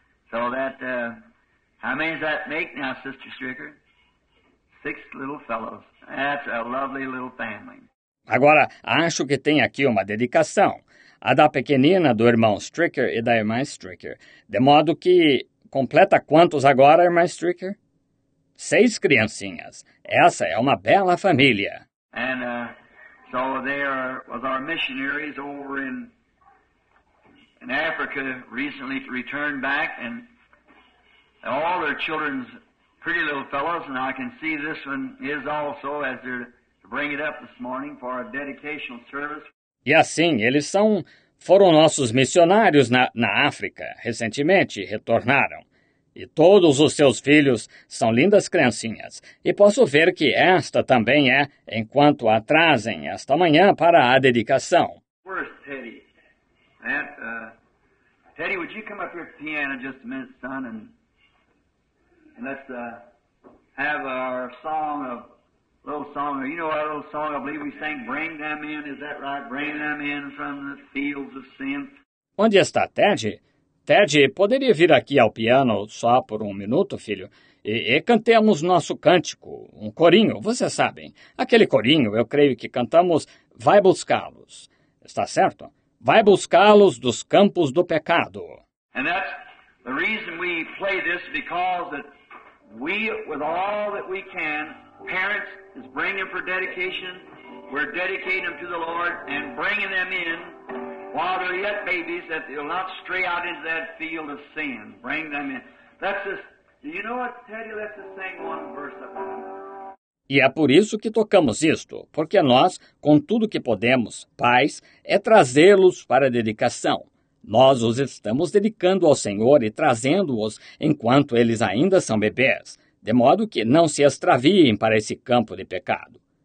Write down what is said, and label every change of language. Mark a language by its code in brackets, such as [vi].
[en] So that, how many does that make now, Sister Stricker? Six little fellows. That's a lovely little family. [pt] Agora, acho que tem aqui uma dedicação. A da pequenina, do irmão Stricker e da irmã Stricker. De modo que, completa quantos agora, irmã Stricker? Seis criancinhas. Essa é uma bela família. [en] And so there was our missionaries over in Africa recently returned back, and all their children's pretty little fellows, and I can see this one is also as they're to bring it up this morning for a dedicational service. [pt] E assim, eles foram nossos missionários na África recentemente, retornaram. E todos os seus filhos são lindas criancinhas. E posso ver que esta também é, enquanto a trazem esta manhã para a dedicação. [en] Where's Teddy? Aunt, Teddy, would you come up here to the piano just a minute, son, and let's have our song of, little song, you know our little song, I believe we sang, Bring Them In, is that right? Bring Them In from the Fields of Sin. [pt] Onde está Teddy? Ted, poderia vir aqui ao piano só por um minuto, filho? E cantemos nosso cântico, um corinho, vocês sabem. Aquele corinho, eu creio que cantamos Vai Buscá-los. Está certo? Vai Buscá-los dos Campos do Pecado. E essa é a razão que fazemos isso, porque nós, com tudo que podemos, [en] parents, is bringing them for dedication, we're dedicating them to the Lord and bringing them in. While they're yet babies, that they'll not stray out into that field of sin. Bring them in. That's just, you know what, Teddy, let's just sing one verse of it. [pt] E é por isso que tocamos isto, porque nós, com tudo que podemos, pais, é trazê-los para a dedicação. Nós os estamos dedicando ao Senhor e trazendo-os enquanto eles ainda são bebês, de modo que não se extraviem para esse campo de pecado.